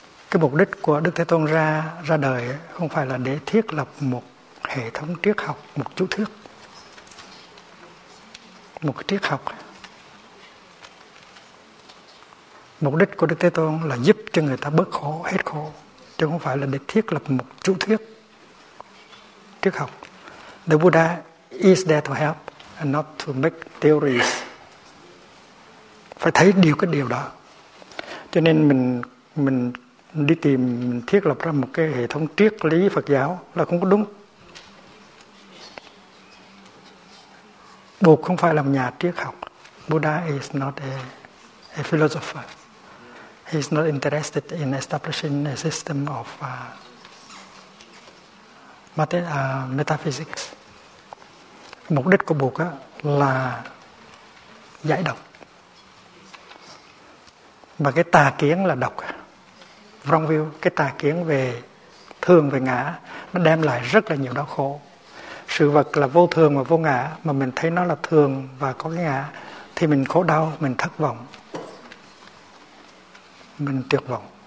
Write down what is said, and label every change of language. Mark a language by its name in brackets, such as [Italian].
[Vietnamese] Cái mục đích của Đức Thế Tôn ra đời không phải là để thiết lập một hệ thống triết học, một chú thuyết, một triết học. Mục đích của Đức Thế Tôn là giúp cho người ta bớt khổ, hết khổ, chứ không phải là để thiết lập một chú thuyết triết học. [English] The Buddha is there to help and not to make theories. [Vietnamese] Phải thấy điều cái điều đó. Cho nên mình đi tìm, mình thiết lập ra một cái hệ thống triết lý Phật giáo là không có đúng. Buộc không phải là một nhà triết học. [English] Buddha is not a philosopher. He is not interested in establishing a system of metaphysics. [Vietnamese] Mục đích của Buộc là giải độc. Mà cái tà kiến là độc. Wrong view, cái tà kiến về thường, về ngã, nó đem lại rất là nhiều đau khổ. Sự vật là vô thường và vô ngã, mà mình thấy nó là thường và có cái ngã, thì mình khổ đau, mình thất vọng, mình tuyệt vọng.